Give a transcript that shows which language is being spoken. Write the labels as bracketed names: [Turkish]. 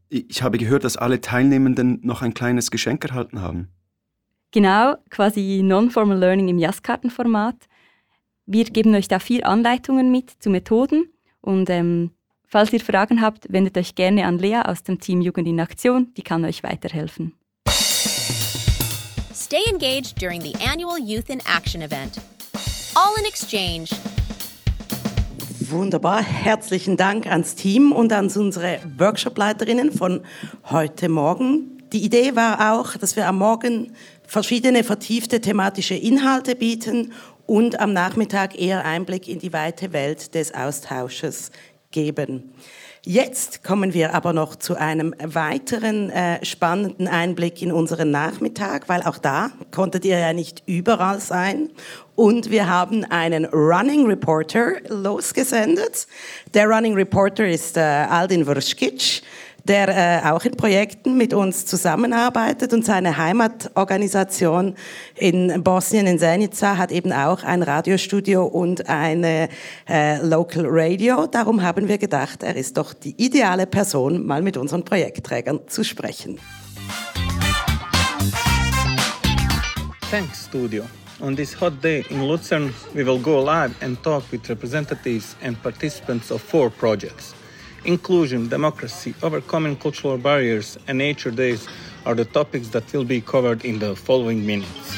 [German] Ich habe gehört, dass alle Teilnehmenden noch ein kleines Geschenk erhalten haben. Genau, quasi Nonformal Learning im JAS-Kartenformat. Wir geben euch da 4 Anleitungen mit zu Methoden und falls ihr Fragen habt, wendet euch gerne an Lea aus dem Team Jugend in Aktion, die kann euch weiterhelfen. [English] Stay engaged during the annual Youth in Action event. All in exchange. [German] Wunderbar, herzlichen Dank ans Team und an unsere Workshopleiterinnen von heute Morgen. Die Idee war auch, dass wir am Morgen verschiedene vertiefte thematische Inhalte bieten und am Nachmittag eher Einblick in die weite Welt des Austausches geben. Jetzt kommen wir aber noch zu einem weiteren spannenden Einblick in unseren Nachmittag, weil auch da konntet ihr ja nicht überall sein. Und wir haben einen Running Reporter losgesendet. Der Running Reporter ist Aldin Vrškić, der auch in Projekten mit uns zusammenarbeitet. Und seine Heimatorganisation in Bosnien, in Zenica, hat eben auch ein Radiostudio und eine Local Radio. Darum haben wir gedacht, er ist doch die ideale Person, mal mit unseren Projektträgern zu sprechen. [English] Thanks, Studio. On this hot day in Luzern, we will go live and talk with representatives and participants of 4 projects. Inclusion, democracy, overcoming cultural barriers, and nature days are the topics that will be covered in the following minutes.